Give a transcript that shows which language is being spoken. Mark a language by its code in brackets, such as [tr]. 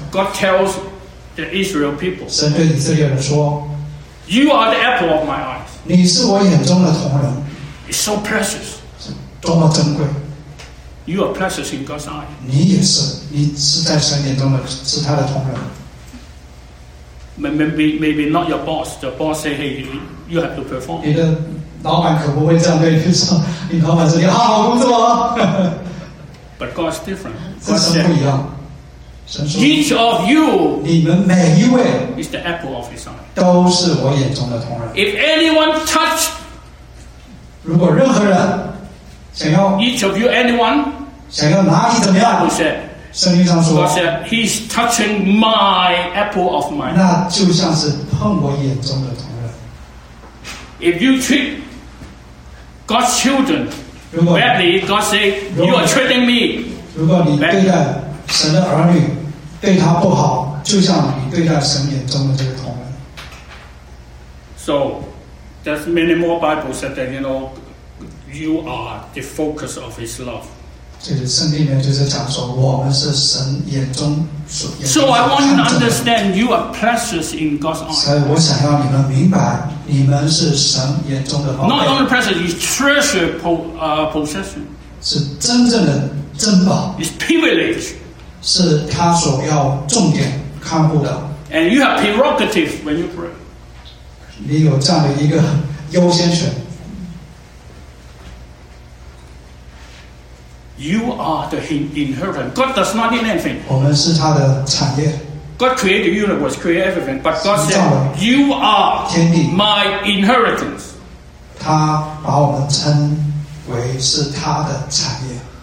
[en] God tells the Israel people. [zh] 神对以色列人说 [en] You are the apple of my eyes. [zh] 你是我眼中的瞳仁。 [en] It's so precious. [zh] 多么珍贵。 [en] You are precious in God's eye. [zh] 你也是，你是在神眼中的，是他的瞳仁。 [en] Maybe not your boss. The boss say, hey, you have to perform. [zh] 你的老板可不会这样对你说，你老板说你好好工作啊。 [en] But God's different. [zh] 这是不一样。 [en] Each of you, [zh] 你们每一位 [en] is the apple of His eye. [zh] 都是我眼中的瞳仁。 [en] If anyone touch, [zh] 如果任何人想要 [en] each of you, anyone [zh] 想要哪里怎么样？圣经上说 [en] ，God said, He's touching my apple of mine. [zh] 那就像是碰我眼中的瞳仁。 [en] If you treat God's children badly, God say, You are treating me. [zh] 如果你对待神的儿女对他不好，就像你对待神眼中的这个同人。 [en] So there's many more Bible said that you know you are the focus of his love. [zh] 这个圣经里面就是讲说我们是神眼中所眼中的。 [en] So I want you to understand you are precious in God's eyes. [zh] 所以我想要你们明白你们是神眼中的宝贝。 [en] Not only precious, it's treasure possession. [zh] 是真正的珍宝。 [en] It's privilege. [zh] 是他所要重点看顾的。 [en] And you have prerogative when you pray. [zh] 你有这样的一个优先权。 [en] You are the inheritance. God does not need anything. [zh] 我们是他的产业。 [en] God created the universe, created everything, but God said, "You are my inheritance." [zh] 他把我们称为是他的产业。